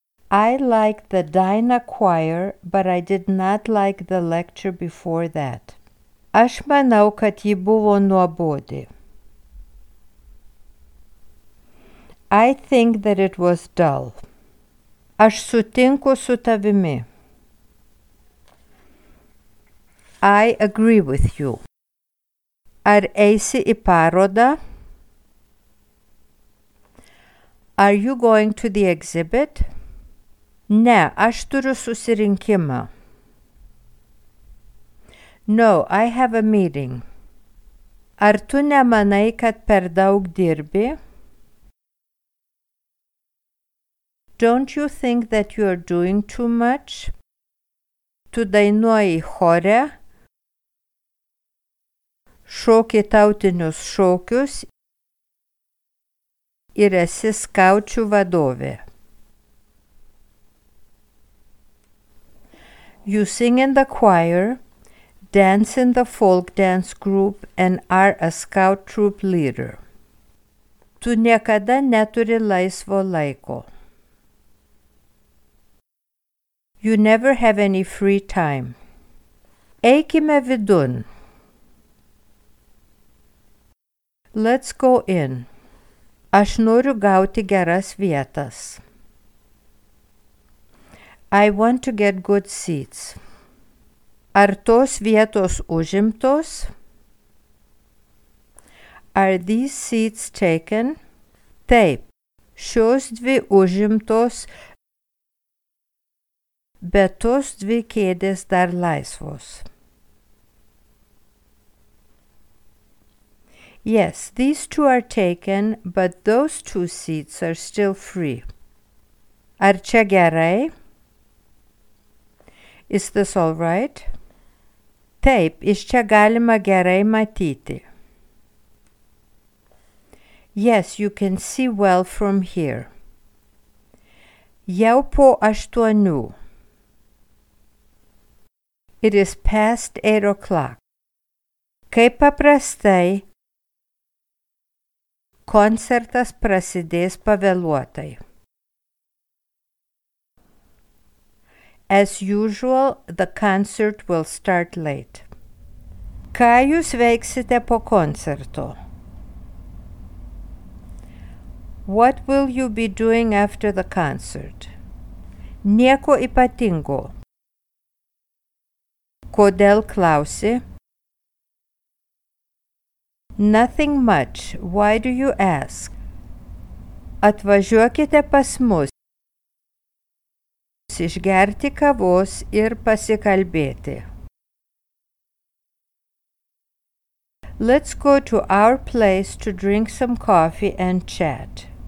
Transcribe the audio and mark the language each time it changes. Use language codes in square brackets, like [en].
[en] I liked the Dyna choir, but I did not like the lecture before that. [lt] Aš manau, kad ji buvo nuobodi. [en] I think that it was dull. [lt] Aš sutinku su tavimi. [en] I agree with you. [lt] Ar eisi į parodą? [en] Are you going to the exhibit? [lt] Ne, aš turiu susirinkimą. [en] No, I have a meeting. [lt] Ar tu nemanai, kad per daug dirbi? [en] Don't you think that you are doing too much? [lt] Tu dainuoji chore? Šoki tautinius šokius ir esi skaučių vadovė. [en] You sing in the choir, dance in the folk dance group and are a scout troop leader. [lt] Tu niekada neturi laisvo laiko. [en] You never have any free time. [lt] Eikime vidun. [en] Let's go in. [lt] Aš noriu gauti geras vietas. [en] I want to get good seats. [lt] Ar tos vietos užimtos? [en] Are these seats taken? [lt] Taip, šios dvi užimtos, bet tos dvi kėdės dar laisvos. [en] Yes, these two are taken, but those two seats are still free. [lt] Ar čia gerai? [en] Is this all right? [lt] Taip, iš čia galima gerai matyti. [en] Yes, you can see well from here. [lt] Jau po 8. [en] It is past 8 o'clock. [lt] Kaip paprastai, koncertas prasidės pavėluotai. [en] As usual, the concert will start late. [lt] Ką jūs veiksite po koncerto? [en] What will you be doing after the concert? [lt] Nieko ypatingo. Kodėl klausi? [en] Nothing much. Why do you ask? [lt] Atvažiuokite pas mus. Išgerti kavos ir pasikalbėti. [en] Let's go to our place to drink some coffee and chat.